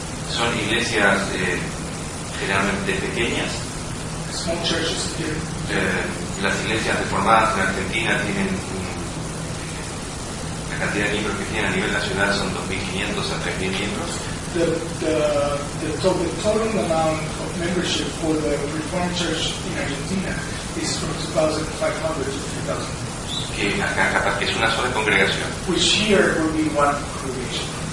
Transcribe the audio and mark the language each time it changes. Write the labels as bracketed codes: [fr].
[es] Son iglesias generalmente pequeñas. [en] Small churches here. [es] Las iglesias reformadas en Argentina tienen la cantidad de miembros que tienen a nivel nacional son 2.500 a 3.000 miembros. [en] The total amount of membership for the Reformed Church in Argentina is from 2,500 to 3,000. [es] Que acá capaz que es una sola congregación. [en] Which here will be one congregation.